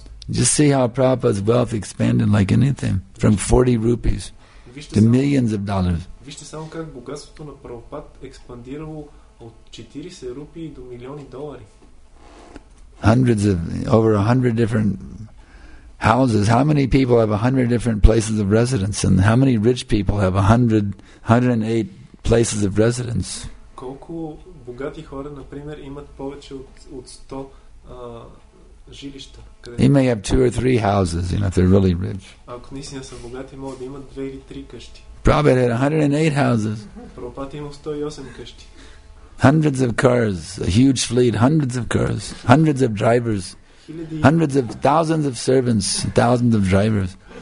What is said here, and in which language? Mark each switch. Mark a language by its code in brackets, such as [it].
[en] Just see how Prabhupada's wealth expanded like anything, from 40 rupees to millions of dollars. [bg] Вижте само как богатството на Прабхупад експандирало от 40 рупии до милиони долари. [en] hundreds of, over 100 different houses. How many people have 100 different places of residence? And how many rich people have 108 places of residence? [bg] Колко богати хора, например, имат повече от 100 жилища? [en] They may have two or three houses, you know, if they're really rich. [bg] Ако наистина са богати, могат да имат две или три къщи. [en] Prabhupada had 108 houses. [bg] Prabhupada има 108 къщи. [en] Hundreds of cars, a huge fleet, hundreds of cars, hundreds of drivers, hundreds of thousands of servants, thousands of drivers.